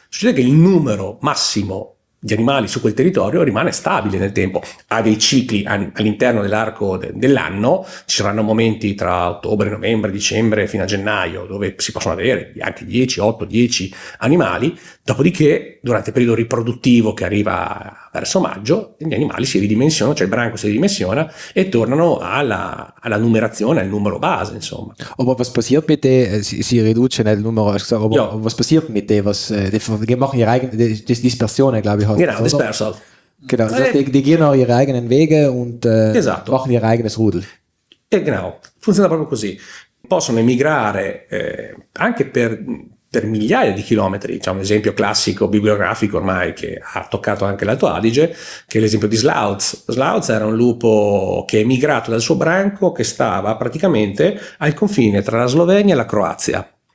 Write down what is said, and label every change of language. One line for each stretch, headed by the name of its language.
Italian: Succede che il numero massimo di animali su quel territorio rimane stabile nel tempo, ha dei cicli all'interno dell'arco dell'anno, ci saranno momenti tra ottobre, novembre, dicembre fino a gennaio dove si possono avere anche 10, 8, 10 animali, dopodiché durante il periodo riproduttivo che arriva verso maggio gli animali si ridimensionano, cioè il branco si ridimensiona e tornano alla numerazione, al numero base, insomma.
German: Aber was passiert mit dem,
Italian: si riduce nel numero,
German: aber was passiert mit dem, was die machen ihre eigene Dispersione, glaube ich. Genau, Dispersal. Genau, das heißt, die gehen auch ihre eigenen Wege und machen ihr eigenes Rudel.
Italian: Genau, funziona proprio così. Possono emigrare anche per migliaia di chilometri, c'è un esempio classico bibliografico ormai che ha toccato anche l'Alto Adige, che è l'esempio di Slouz. Slouz era un lupo che è emigrato dal suo branco, che stava praticamente al confine tra la Slovenia e la Croazia.